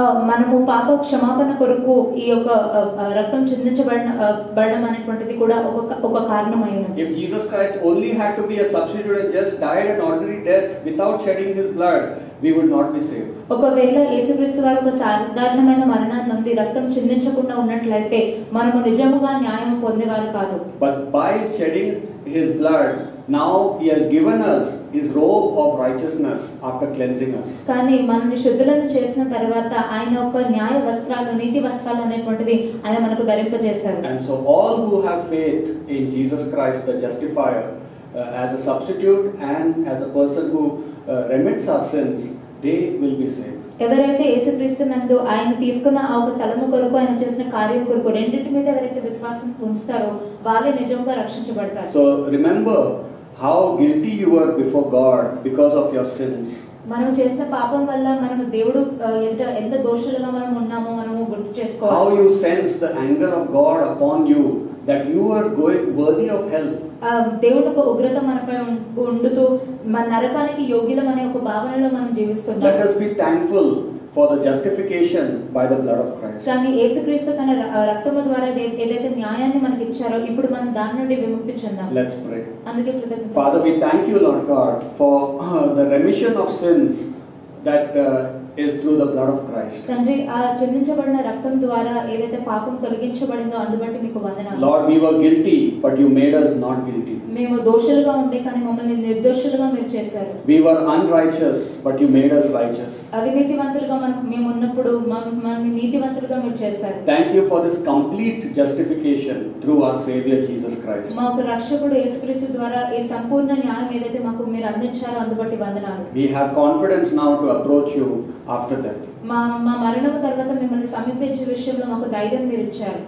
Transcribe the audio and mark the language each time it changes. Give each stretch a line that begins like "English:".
Telugu: మనము పాప క్షమాపణ కొరకు ఈ యొక్క రక్తం చిందించబడడం అనేటువంటిది కూడా ఒక కారణమైంది.
English: If Jesus Christ only had to be a substitute and just died an ordinary death without shedding his blood, we would not be saved.
Telugu: ఒకవేళ యేసుక్రీస్తు వారు ఒక సాధారణమైన మరణాన్ని నొంది రక్తం చిందించకుండా ఉన్నట్లయితే మనము నిజముగా న్యాయం పొందేవారు కాదు.
English: But by shedding his blood now he has given us his robe of righteousness after cleansing us.
Telugu: కానీ మనని శుద్ధులను చేసిన తర్వాత ఆయన ఒక న్యాయ వస్త్రాలు, నీతి వస్త్రాలు అనేటువంటిది ఆయన మనకు ధరింపజేశారు.
English: And so all who have faith in Jesus Christ the justifier as a substitute and as a person who remits our sins, they will be saved.
Telugu: ఎవరైతే యేసుక్రీస్తు నందు ఆయన తీసుకున్న ఆ ఒక స్థలము కొరకు ఆయన చేసిన కార్యం కొరకు రెండింటి మీద ఎవరైతే విశ్వాసం ఉంచుతారో వాళ్ళే నిజంగా రక్షించబడతారు.
English: So remember how guilty you were before God because of your sins.
Telugu: మనం చేసిన పాపం వల్ల మనం దేవుడు ఎంత దోషులుగా మనం ఉన్నామో మనం గుర్తు చేసుకోవాలి.
English: How you sense the anger of God upon you that you are going worthy of hell.
Telugu: దేవుడికి ఉగ్రత మనపై ఉండుతూ మన నరకానికి యోగ్యం అనే ఒక భావనలో మనం జీవిస్తున్నాం.
English: Let us be thankful for the justification by the blood of Christ.
Telugu: కాని యేసుక్రీస్తు తన రక్తము ద్వారా ఏదైతే న్యాయాన్ని మనకు ఇచ్చారో ఇప్పుడు మనం దాని నుండి విముక్తి చెందాం.
English: Let's pray.
Telugu: అందుకే కృతజ్ఞత.
English: Father, we thank you, Lord God, for the remission of sins that is through the blood of Christ.
Telugu: తండ్రి, ఆ చిందించబడిన రక్తం ద్వారా ఏదైతే పాపం తొలగించబడిందో అందుబట్టి మీకు వందనాలు.
English: Lord, we were guilty, but you made us not guilty.
Telugu: మేము దోషులుగా ఉండి కానీ మమ్మల్ని నిర్దోషులుగా మీరు చేశారు.
English: We were unrighteous, but you made us righteous.
Telugu: అవినీతివంతులుగా మేము ఉన్నప్పుడు మమ్మల్ని నీతివంతులుగా మీరు చేశారు.
English: Thank you for this complete justification through our Savior Jesus Christ.
Telugu: మాకు రక్షకుడు యేసుక్రీస్తు ద్వారా ఈ సంపూర్ణ న్యాయం ఏదైతే మాకు మీరు అందించారో అందుబట్టి వందనాలు.
English: We have confidence now to approach you after death.
Telugu: మా మరణం తర్వాత మిమ్మల్ని సమీపించే విషయంలో మాకు ధైర్యం మీరు ఇచ్చారు.